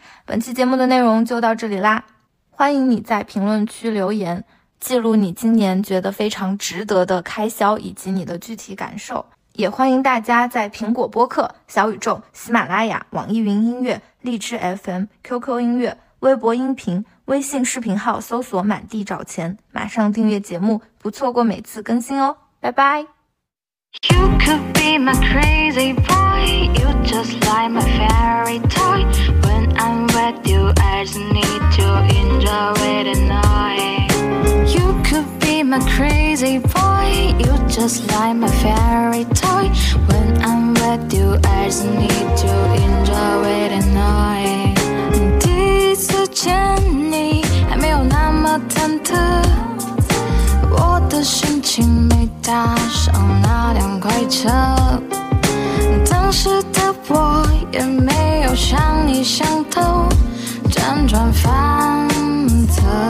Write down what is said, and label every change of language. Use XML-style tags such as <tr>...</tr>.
<zh>本期节目的内容就到这里啦，欢迎你在评论区留言，记录你今年觉得非常值得的开销以及你的具体感受。也欢迎大家在苹果播客、小宇宙、喜马拉雅、网易云音乐、荔枝 FM、 QQ 音乐、微博音频、微信视频号搜索满地找钱，马上订阅节目，不错过每次更新哦。拜拜。</zh> <en>You could be my crazy boy, you just like my fairy toy. When I'm with you, I just need to enjoy it and I. You could be my crazy boy, you just like my fairy toy. When I'm with you, I just need to enjoy it and I.</en> <zh>第一次见你还没有那么忐忑，我的心情没搭上那辆快车，当时的我也没有像你想透辗转反侧，</zh>